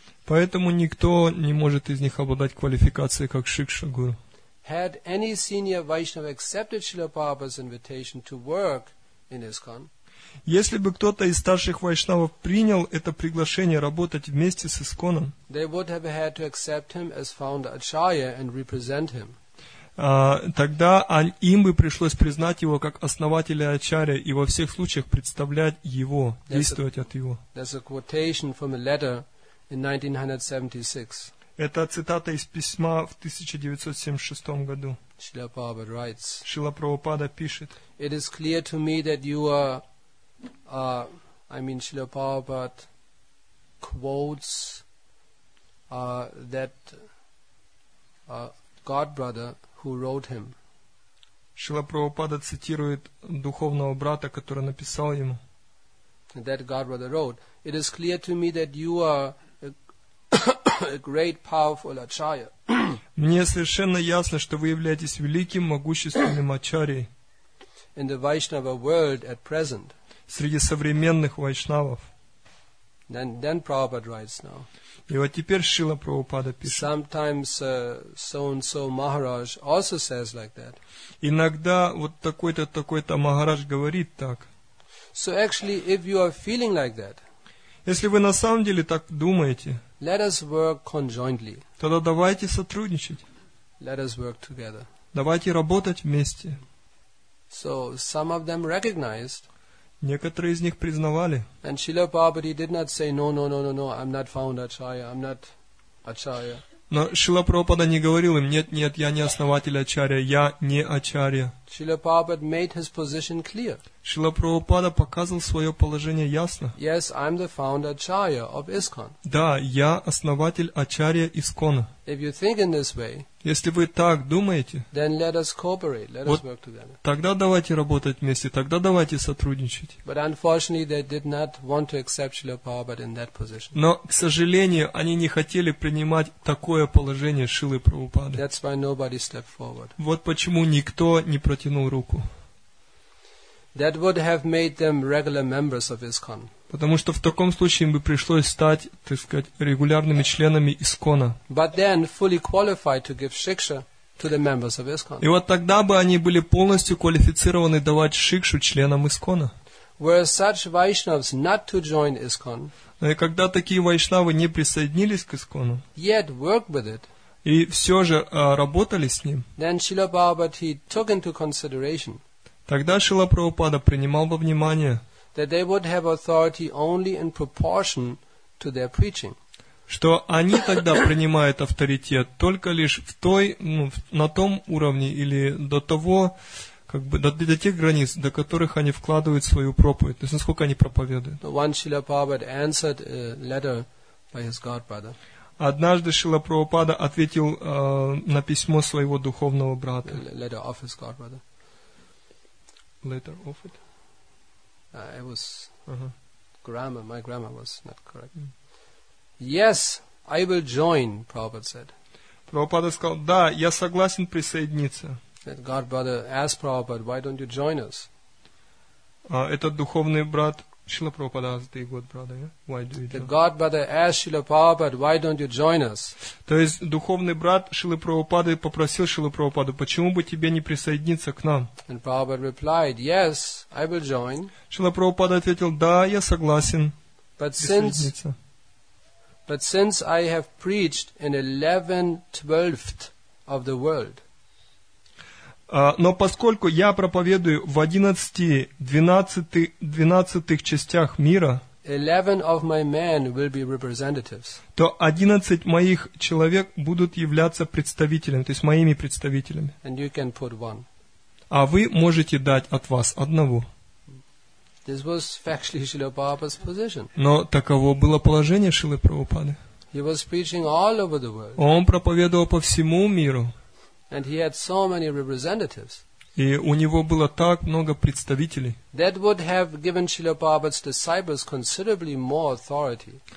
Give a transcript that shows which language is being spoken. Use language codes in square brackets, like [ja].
[ru] Поэтому никто не может из них обладать квалификацией как Шикша Гуру. [en] Had any senior Vaishnava accepted Srila Prabhupada's invitation to work in ISKCON, [ru] если бы кто-то из старших вайшнавов принял это приглашение работать вместе с ИСКОНом, [en] they would have had to accept him as founder Acharya and represent him. [ru] Тогда им бы пришлось признать его как основателя Ачарья и во всех случаях представлять его, действовать от его. [en] There's a quotation from a letter in 1976. [ru] Это цитата из письма в 1976 году. Шрила Прабхупада пишет. [en] It is clear to me that you are, Шрила Прабхупада quotes that godbrother who wrote him. [ru] Шрила Прабхупада цитирует духовного брата, который написал ему. [en] That godbrother wrote, it is clear to me that you are a great powerful acharya. [ru] Мне совершенно ясно, что вы являетесь великим могущественным ачарьей. [en] In the Vaishnava world at present. [ru] Среди современных вайшнавов. [en] Then Prabhupada writes now. [ru] И вот теперь Шрила Прабхупада пишет. [en] Sometimes so-and-so Maharaj also says like that. [ru] Иногда вот такой-то Махарадж говорит так. [en] So actually, if you are feeling like that, [ru] если вы на самом деле так думаете, [en] let us work conjointly. [ru] Тогда давайте сотрудничать. [en] Let us work together. [ru] Давайте работать вместе. [en] So some of them recognized. [ru] Некоторые из них признавали. [en] And Srila Prabhupada did not say, no, I'm not found Acharya, I'm not Acharya. [ru] Но Шрила Прабхупада не говорил им, нет, я не основатель Ачарья, я не Ачарья. [en] Srila Prabhupada made his position clear. [ru] Шрила Прабхупада показывал свое положение ясно. [en] Yes, I'm the founder Acharya of ISKCON. [ru] Да, я основатель Ачарья ИСКОНа. [en] If you think in this way, [ru] если вы так думаете, [en] then let us cooperate, let us work together. [ru] Тогда давайте работать вместе, тогда давайте сотрудничать. [en] But unfortunately, they did not want to accept Srila Prabhupada in that position. [ru] Но, к сожалению, они не хотели принимать такое положение Шрилы Прабхупады. [en] That's why nobody stepped forward. [ru] Вот почему никто не протянул руку. [en] That would have made them regular members of ISKCON. [ru] Потому что в таком случае им бы пришлось стать, так сказать, регулярными членами ИСКОНа. [en] But then fully qualified to give Shiksha to the members of ISKCON. [ru] И вот тогда бы они были полностью квалифицированы давать Шикшу членам ИСКОНа. [en] Were such Vaishnavas not to join ISKCON. [ru] Но и когда такие вайшнавы не присоединились к ИСКОНу. [en] Yet work with it. [ru] И все же работали с ним. [en] Then Srila Prabhupada he took into consideration. [ru] Тогда Шрила Прабхупада принимал во внимание, [en] that they would have authority only in proportion to their preaching. [ru] что они тогда принимают авторитет только лишь в той, на том уровне или до того, как бы до тех границ, до которых они вкладывают свою проповедь, то есть насколько они проповедуют. Однажды Шрила Прабхупада ответил на письмо своего духовного брата. [en] Letter of his godbrother. Letter of it? It was grammar. My grammar was not correct. Mm. Yes, I will join, Prabhupada said. [ru] Прабхупада сказал, да, я согласен присоединиться. [en] That godbrother asked Prabhupada, why don't you join us? [ru] Этот духовный брат... [en] Shrila Prabhupada asked the godbrother, yeah? Why do you join? The godbrother asked Shrila Prabhupada, why don't you join us? [ru] То есть духовный брат Шрилы Прабхупады попросил Шрилу Прабхупаду, почему бы тебе не присоединиться к нам? [en] And Prabhupada replied, yes, I will join. [ru] Шрила Прабхупада ответил, да, я согласен. [en] But since I have preached in 11/12 of the world. [ru] Но поскольку я проповедую в 11/12 частях мира, [en] 11 of my men will be representatives. [ru] То 11 моих человек будут являться представителями, то есть моими представителями. [en] And you can put one. [ru] А вы можете дать от вас одного. [en] This was factually Srila Prabhupada's position. [ru] Но таково было положение Шрилы Прабхупады. [en] He was preaching all over the world. [ru] Он проповедовал по всему миру. [en] And he had so many representatives. [ru] И у него было так много представителей. [en] That would have given Srila Prabhupada's disciples considerably more authority.